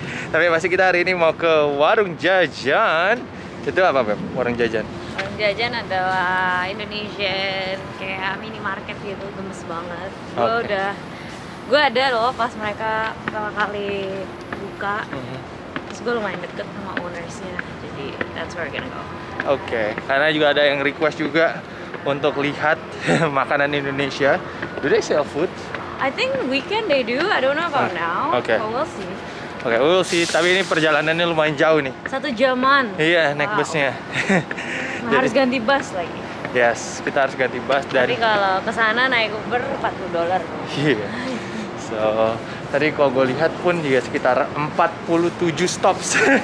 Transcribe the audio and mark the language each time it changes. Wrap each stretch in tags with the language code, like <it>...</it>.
<id>Tapi pasti kita hari ini mau ke warung jajan. Itu apa, Beb? Warung jajan? Warung jajan adalah Indonesian, kayak minimarket gitu, gemes banget. Okay. Gue ada loh pas mereka pertama kali buka. Terus gue lumayan deket sama ownersnya, jadi</id> <en>that's where we're gonna go. Oke, okay.</en> <id>Karena juga ada yang request juga untuk lihat makanan Indonesia.</id> <en>Do they sell food? I think weekend they do, I don't know about now, okay. But we'll see. Oke, okay, we'll see.</en> <id>Tapi ini perjalanannya lumayan jauh nih. Satu jaman. Iya, naik busnya. Jadi, harus ganti bus lagi. Yes, kita harus ganti bus. Tapi dari... kalau kesana naik Uber $40. Iya. Yeah. So, tadi kalau gue lihat pun juga sekitar 47 stops.</id>